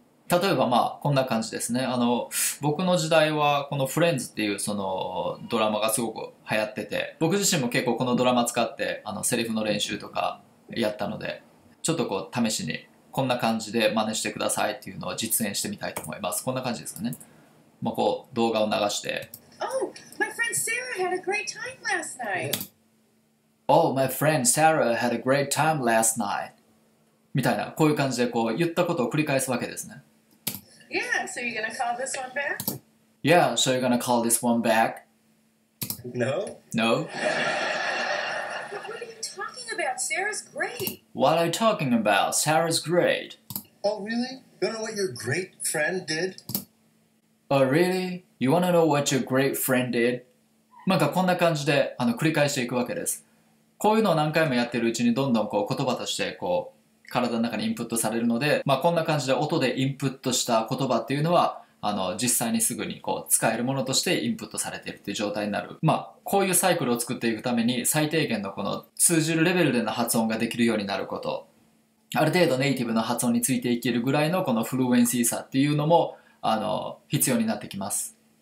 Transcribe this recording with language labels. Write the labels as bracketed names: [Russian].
[Japanese] 例えばまあこんな感じですね。僕の時代はこのフレンズっていうそのドラマがすごく流行ってて、僕自身も結構このドラマ使ってセリフの練習とかやったので、ちょっとこう試しにこんな感じで真似してくださいっていうのを実演してみたいと思います。こんな感じですかね。まあこう動画を流して、 [English] Oh, my friend Sarah had a great time last night [Japanese] みたいな、こういう感じでこう言ったことを繰り返すわけですね。 [English] Yeah, so you're gonna call this one back? Yeah, so you're gonna call this one back? No. No? But what are you talking about? Sarah's great. What are you talking about? Sarah's great. Oh, really? You wanna know what your great friend did? Oh, really? You wanna know what your great friend did? [Japanese] なんかこんな感じで繰り返していくわけです。こういうのを何回もやってるうちにどんどんこう言葉としてこう体の中にインプットされるので、まあ、こんな感じで音でインプットした言葉っていうのは実際にすぐにこう使えるものとしてインプットされているっていう状態になる、まあ、こういうサイクルを作っていくために最低限のこの通じるレベルでの発音ができるようになること、ある程度ネイティブの発音についていけるぐらいのこのフルエンシーさっていうのも必要になってきます。